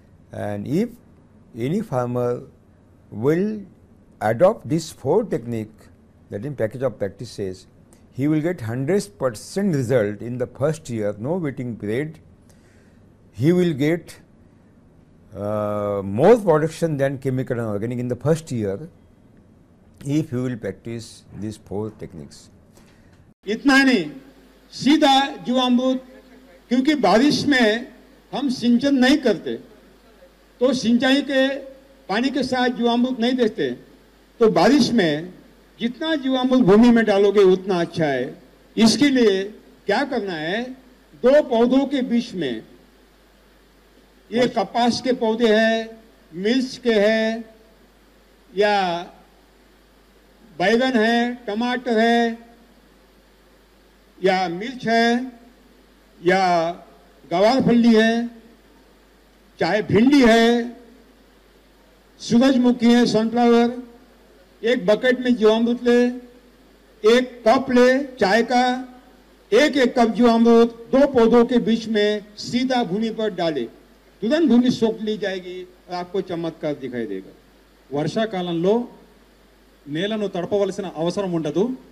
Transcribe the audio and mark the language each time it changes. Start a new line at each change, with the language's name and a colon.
English: And if any farmer will adopt this 4 technique, that in package of practices, he will get 100% result in the first year, no waiting period. He will get more production than chemical and organic in the first year, if you will practice these 4 techniques.
Hindi: इतना नहीं, सीधा जीवामृत, क्योंकि बारिश में हम सिंचन नहीं करते, तो सिंचाई के पानी के साथ जीवामृत नहीं देते, तो बारिश में जितना जीवामृत भूमि में डालोगे उतना अच्छा है. इसके लिए क्या करना है, 2 पौधों के बीच में, ये कपास के पौधे हैं, मिर्च के हैं, या बैगन है, टमाटर है, या मिर्च है, या गवार फली है, चाहे भिंडी है, सूरजमुखी है, सनफ्लावर. एक बकेट में जीवामृत ले, एक कप ले चाय का, एक एक कप जीवामृत 2 पौधों के बीच में सीधा भूमि पर डाले, तुरंत भूमि सोख ली जाएगी और आपको चमत्कार दिखाई देगा.
Telugu: वर्षा कालन लो నేలను తడపవలసిన అవసరం ఉండదు.